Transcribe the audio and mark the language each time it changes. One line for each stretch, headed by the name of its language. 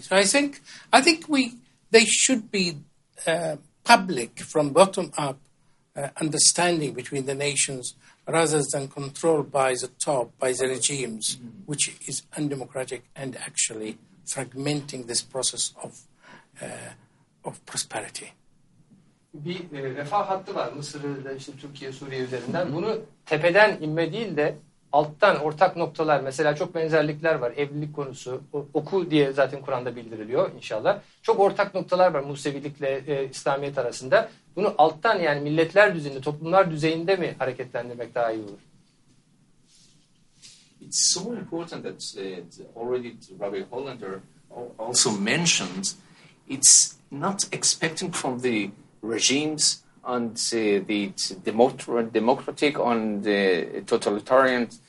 English: So I think they should be public from bottom up understanding between the nations, rather than controlled by the top, by the regimes, which is undemocratic and actually fragmenting this process of prosperity.
Turkish: Bir refah hattı var Mısır'da, işte Türkiye, Suriye üzerinden. Bunu tepeden inme değil de alttan ortak noktalar, mesela çok benzerlikler var. Evlilik konusu, oku diye zaten Kur'an'da bildiriliyor inşallah. Çok ortak noktalar var Musevilikle İslamiyet arasında. Bunu alttan, yani milletler düzeyinde, toplumlar düzeyinde mi hareketlendirmek daha iyi olur?
English: It's so important that already Rabbi Hollander also mentioned, it's not expecting from the regimes and the democratic and the totalitarian